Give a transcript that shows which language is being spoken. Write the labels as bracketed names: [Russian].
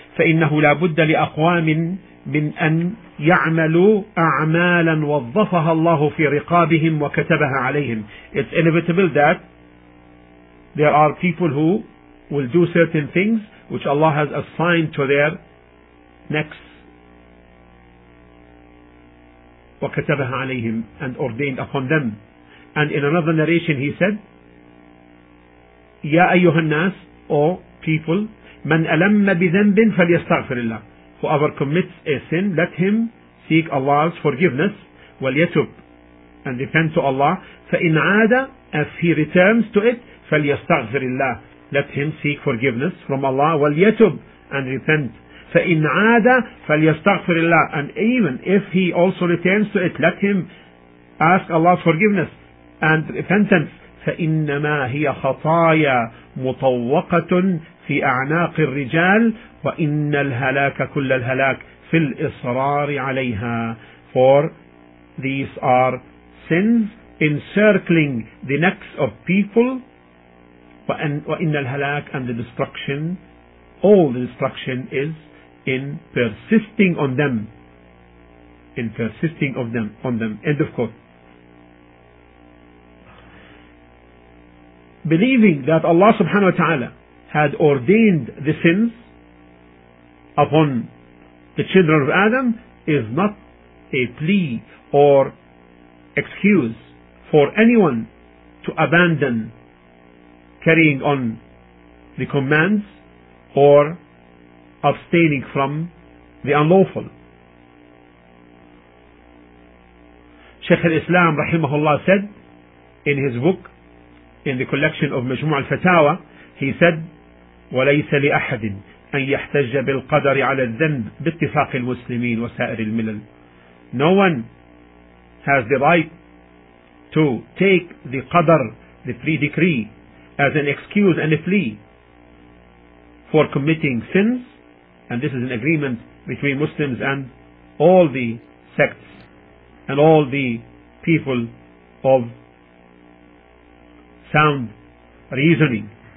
[Arabic] فإنه لابد لأقوام من أن يعملوا أعمالا وظفها الله في رقابهم وكتبها عليهم. [English] It's inevitable that there are people who will do certain things which Allah has assigned to their necks, [Arabic] وكتبها عليهم, [English] and ordained upon them. And in another narration he said, [Arabic] يا أيها الناس, [English] O people, [Arabic] من ألم بذنب فليستغفر الله, [English] whoever commits a sin, let him seek Allah's forgiveness, [Arabic] وليتب, [English] and repent to Allah. [Arabic] فإن عاد, [English] if he returns to it, [Arabic] فليستغفر الله, [English] let him seek forgiveness from Allah, [Arabic] وليتب, [English] and repent. [Arabic] فإن عاد فليستغفر الله, [English] and even if he also returns to it, let him ask Allah's forgiveness and repentance. [Arabic] فإنما هي خطايا مطوقة في أعناق الرجال وإن الهلاك كل الهلاك في الإصرار عليها. [English] For these are sins encircling the necks of people, [Arabic] وإن الهلاك, [English] and the destruction, all the destruction is in persisting on them. End of quote. Believing that Allah subhanahu wa ta'ala had ordained the sins upon the children of Adam is not a plea or excuse for anyone to abandon carrying on the commands or abstaining from the unlawful. Shaykh al-Islam rahimahullah said in his book, in the collection of مجموع الفتاوى, he said, [Arabic] وليس لأحد أن يحتج بالقدر على الذنب باتفاق المسلمين وسائر الملل. [English] No one has the right to take the qadr, the pre-decree, as an excuse and a plea for committing sins, and this is an agreement between Muslims and all the sects and all the people of sound reasoning.